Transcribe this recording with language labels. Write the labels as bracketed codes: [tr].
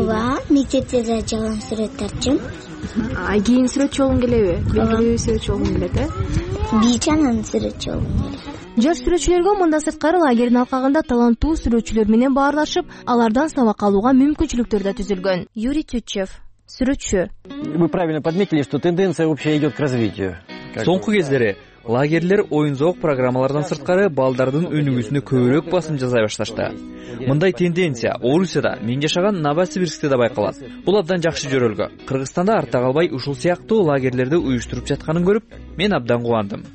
[ky] Ооба, мектепте да жалаң сүрөт тартчум. А кийин сүрөтчү болгуң келеби? Белгилүү сүрөтчү болгуң келет, э? Бийч анан сүрөтчү болгуң келет. Жаш сүрөтчүлөргө мындан сырткары лагердин алкагында таланттуу сүрөтчүлөр менен баарлашып, алардан сабак алууга мүмкүнчүлүктөр да түзүлгөн. Юрий Тютчев, сүрөтчү. [ru] Вы правильно подметили, что тенденция общая идёт к развитию. [ky] Соңку кездери лагерлер оюн-зоок программалардан сырткары балдардын өнүгүүсүнө көбүрөөк басым жасай башташты. Мындай тенденция Орусияда, мен жашаган Новосибирскте да байкалат. Бул абдан жакшы жөрөлгө. Кыргызстанда арта калбай ушул сыяктуу лагерлерди уюштуруп жатканын көрүп, мен абдан кубандым.